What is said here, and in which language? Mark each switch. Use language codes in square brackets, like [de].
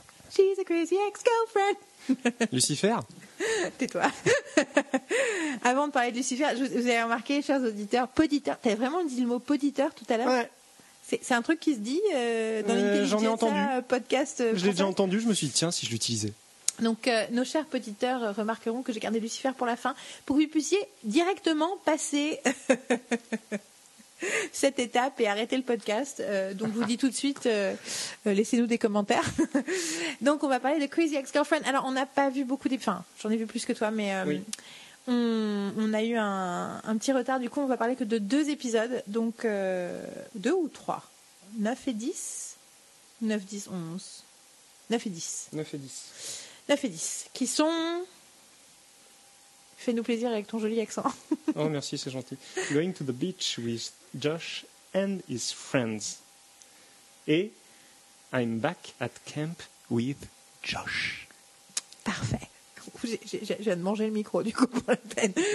[en] She's a crazy ex-girlfriend. [fr] Lucifer. Tais-toi. Avant de parler de Lucifer, vous avez remarqué, chers auditeurs, poditeurs. T'as vraiment dit le mot poditeur tout à l'heure? Ouais. C'est un truc qui se dit dans l'intelligence podcast. Je l'ai déjà entendu, je me suis dit, tiens, si je l'utilisais. Donc, nos chers poditeurs remarqueront que j'ai gardé Lucifer pour la fin, pour que vous puissiez directement passer... cette étape et arrêter le podcast. Donc, je vous dis tout de suite, laissez-nous des commentaires. Donc, on va parler de Crazy Ex-Girlfriend. Alors, on n'a pas vu beaucoup des. Enfin, j'en ai vu plus que toi, mais on a eu un petit retard. Du coup, on va parler que de deux épisodes. Donc, deux ou trois ? 9 et 10 ? 9, 10, 11 ? 9 et 10. 9 et 10. 9 et 10. Qui sont. Fais-nous plaisir avec ton joli accent. Oh, merci, c'est gentil. [en] Going to the beach with Josh and his friends. [fr] Et [en] I'm back at camp with Josh. [fr] Parfait. Je viens de manger le micro, du coup, pour la peine.